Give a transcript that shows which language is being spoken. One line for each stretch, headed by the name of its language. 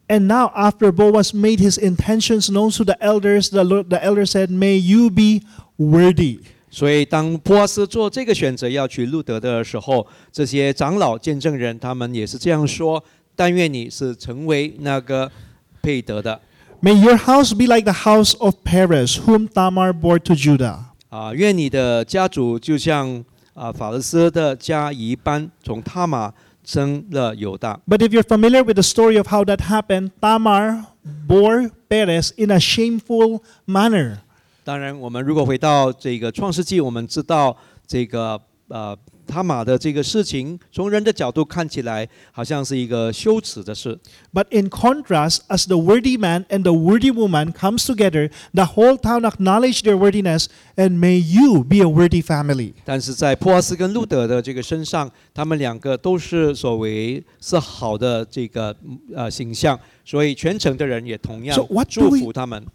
English: And now after Boaz made his intentions known to the elders, the elders said, May you be worthy.
Chinese: 所以当波阿斯做这个选择要娶路德的时候这些长老见证人他们也是这样说但愿你是成为那个配得的
English: May your house be like the house of Perez whom Tamar bore to Judah
Chinese: 愿你的家族就像法勒斯的家一般从塔玛生了犹大
English: But if you're familiar with the story of how that happened Tamar bore Perez in a shameful manner
Chinese: 当然我们如果回到这个创世纪我们知道这个他玛的这个事情从人的角度看起来好像是一个羞耻的事。
English: But in contrast, as the worthy man and the worthy woman comes together, the whole town acknowledged their worthiness and may you be a worthy family.
Chinese: 但是在波阿斯跟路德的这个身上他们两个都是所谓是好的这个形象所以全城的人也同样祝福他们。